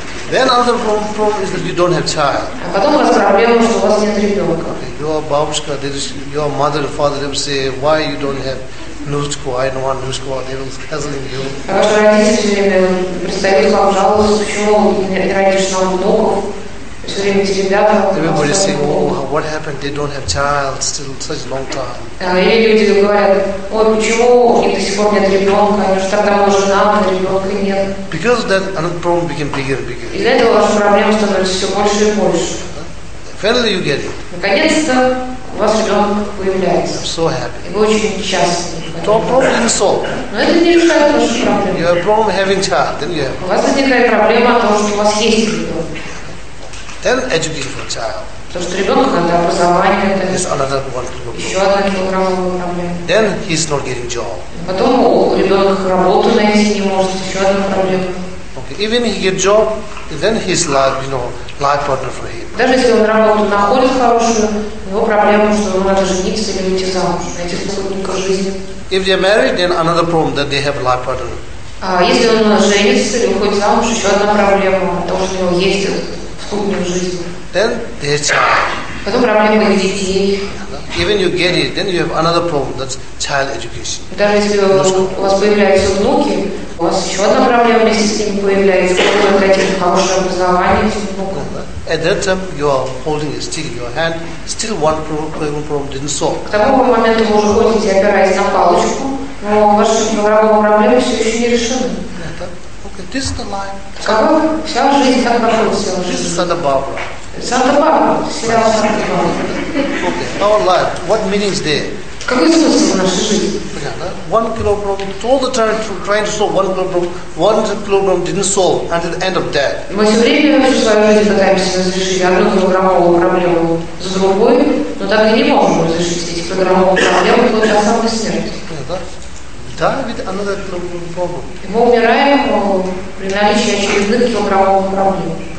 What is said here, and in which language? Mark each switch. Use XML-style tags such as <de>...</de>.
<en>Then another problem is that you don't have child.</en> <ru>А потом у вас проблема, что у вас нет ребенка.</ru> <en>Okay. Your бабушка, your mother and father, they will say, why you don't have Nusko, I don't want Nusko, they will hassling you.</en> <ru>Ваши родители все время представили вам жалобу, почему не родишь нам внуков, все время эти ребята...</ru> <en>Everybody saying, oh, what happened, they don't have child still such a long time.</en> <ru>И люди говорят, ой, почему у них до сих пор нет ребенка, они же тогда уже женаты, ребенка нет.</ru> <en>Because of that, another problem became bigger and bigger.</en> <ru>Из-за этого ваша проблема становится все больше и больше.</ru> <en>Finally you get it.</en> <ru>Наконец-то у вас ребенок появляется.</ru> <en>I'm so happy.</en> <ru>И вы очень счастливы.</ru> <en>Your problem is solved.</en> <ru>Но это не решает вашу проблему.</ru> <en>You have problem having child, then you have.</en> <ru>У вас возникает проблема о том, что у вас есть ребенок.</ru> <en>Then educate your child.</en> <ru>То, что ребенок надо образование, это</ru> <en>is another one to look.</en> <ru>Еще одна килограммовая проблема.</ru> <en>Then he's not getting job.</en> <ru>Потом у ребенка работу найти не может, еще одна проблема.</ru> <en>Even if he gets a job, then his life, you know, life partner for him.</en> <ru>Даже если он работу находит хорошую, его проблема, что ему надо жениться или выйти замуж, найти спутника жизни.</ru> <en>If they're married, then another problem that they have life partner.</en> <ru>Если он женится или выходит замуж, еще одна проблема, потому что у него есть спутник жизни.</ru> <en>Then their child.</en> <ru>Потом проблема их детей.</ru> <en>Even you get it, then you have another problem, that's child education.</en> <ru>Даже если у вас появляются внуки, у вас еще одна проблема вместе с ними появляется, вы хотите хорошее образование внуков.</ru> <en>At that time, you are holding a stick in your hand, still one problem didn't solve.</en> <ru>К тому моменту вы уже ходите, опираясь на палочку, но ваши другие проблемы все еще не решены.</ru> <en>Okay, this is the line.</en> <ru>Вся жизнь так проходит.</ru> <en>This is Santa Barbara. Santa Barbara. Okay, our life, what meaning is there?</en> <ru>Какой смысл в нашей жизни? Понятно?</ru> <en>1 kilogram, all the time trying to solve 1 kilogram, 1 kilogram didn't solve until the end of death.</en> <ru>Мы все время всю свою жизнь пытаемся разрешить 1 килограммовую проблему за другой, но так и не можем разрешить эти килограммовые проблемы, получая самую смерть. Понятно?</ru> <en>Die with another problem.</en> <ru>Мы умираем, при наличии очередных килограммовых проблем.</ru>